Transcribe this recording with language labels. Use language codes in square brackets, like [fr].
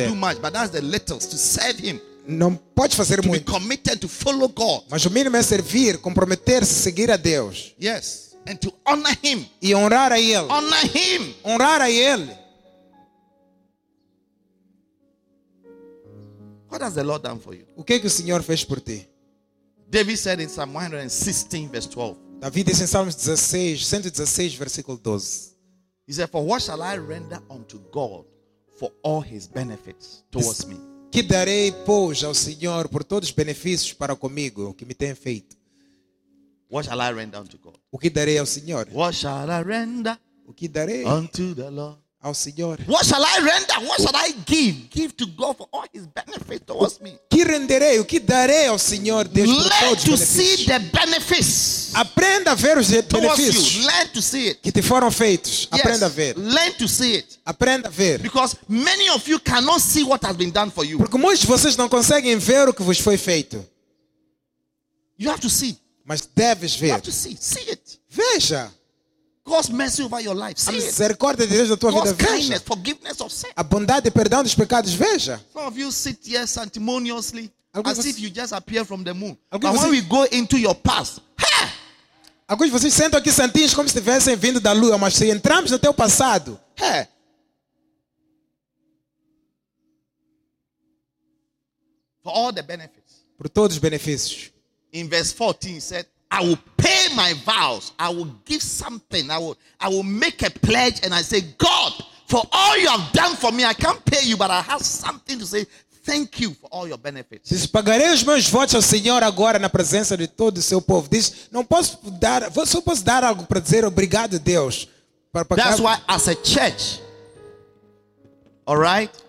[en] You can't do much, but that's the little to serve him. [pt] Não pode fazer [en] to [pt] muito. [en] Be committed to follow God. [pt] Mas o mínimo é servir, comprometer-se, seguir a Deus. [en] Yes. And to honor him. [pt] E honrar a ele. [en] Honor him. [pt] Honrar a ele. [en] What has the Lord done for you? [pt] O que é que o Senhor fez por ti? [en] David said in Psalm 116 verse 12. [pt] Davi disse em Salmos 116 versículo 12. [en] He said, "For what shall I render unto God for all his benefits towards me?" [pt] Que darei, pois, ao Senhor por todos os benefícios para comigo que me tem feito? [en] What shall I render unto God? [pt] O que darei ao Senhor? [en] What shall I render? [pt] O que darei [en] unto the Lord? [pt] Ao Senhor. [en] What shall I render? What shall I give? Give to God for all his benefits towards me. [pt] Que renderei? O que darei ao Senhor Deus por [en] learn [pt] todos os benefícios? [en] Learn to see the benefits. [pt] Aprenda a ver os benefícios. [en] You. Learn to see it. [pt] Que te foram feitos. [en] Yes. [pt] Aprenda a ver. [en] Learn to see it. [pt] Aprenda a ver. [en] Because many of you cannot see what has been done for you. [pt] Porque muitos de vocês não conseguem ver o que vos foi feito. [en] You have to see. [pt] Mas deves ver. [en] You have to see. See it. [pt] Veja. [en] God's mercy over your life. See [pt] a misericórdia de Deus na tua [en] God's [pt] vida. Veja. [en] Kindness, forgiveness of sin. [pt] A bondade e perdão dos pecados. Veja. [en] Some of you sit here sanctimoniously as if you just appear from the moon. But when we go into your past, [pt] alguns de vocês sentam aqui santinhos como se estivessem vindo da lua, mas se entramos no teu passado. [en] For all the benefits. [pt] Por todos os benefícios. [en] In verse 14 said, I will pay my vows. I will give something. I will make a pledge and I say, God, for all you have done for me, I can't pay you, but I have something to say. Thank you for all your benefits. [pt] Diz, pagarei os meus votos ao Senhor agora na presença de todo o seu povo. Diz, não posso dar, só posso dar algo para dizer obrigado a Deus. [en] That's why as a church, all right?